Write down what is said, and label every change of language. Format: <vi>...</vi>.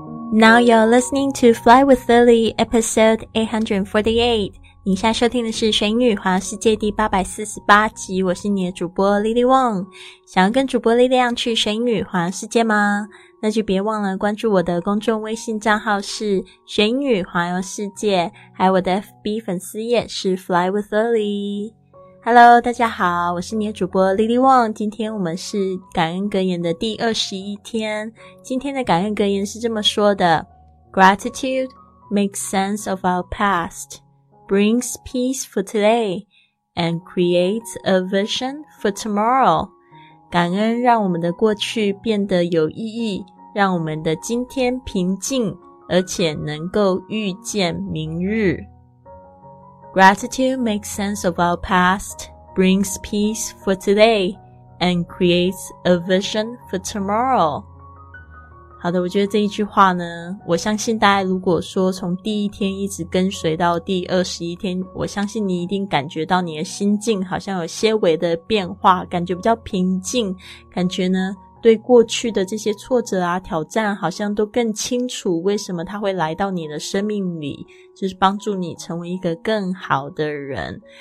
<en>Now you're listening to Fly with Lily, episode 848.</en> <zh>你现在收听的是玄女华世界第848集，我是你的主播 Lily Wong。想要跟主播力量去玄女华世界吗？那就别忘了关注我的公众微信账号是玄女华游世界，还有我的 FB 粉丝页是 Fly with Lily。 Hello, 大家好，我是你的主播 Lily Wong。今天我们是感恩格言的第21天。今天的感恩格言是这么说的：</zh> <en>Gratitude makes sense of our past, brings peace for today, and creates a vision for tomorrow.</en> <zh>感恩让我们的过去变得有意义，让我们的今天平静，而且能够预见明日。</zh> <en>Gratitude makes sense of our past, brings peace for today, and creates a vision for tomorrow.</en> <zh>好的，我觉得这一句话呢，我相信大家如果说从第一天一直跟随到第21天，我相信你一定感觉到你的心境好像有些微的变化，感觉比较平静，感觉呢对过去的这些挫折啊挑战好像都更清楚为什么它会来到你的生命里，就是帮助你成为一个更好的人。</zh>